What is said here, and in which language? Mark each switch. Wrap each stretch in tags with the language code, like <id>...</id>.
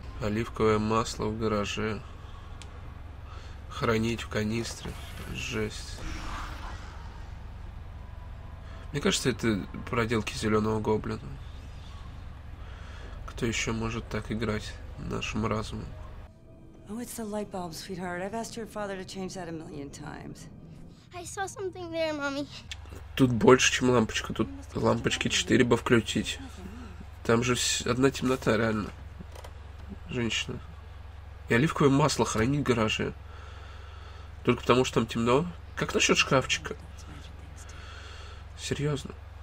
<ru>Оливковое масло в гараже. Хранить в канистре. Жесть. Мне кажется, это проделки зеленого гоблина. Кто еще может так играть нашим разумом?</ru> <en>Oh, it's the light bulb, sweetheart. I've asked your father to change that a million times. I saw something there, mommy.</en> <ru>Тут больше, чем лампочка. Тут лампочки 4 бы включить. Там же одна темнота, реально. Женщина. И оливковое масло хранить в гараже. Только потому, что там темно. Как насчет шкафчика? Серьезно.</ru>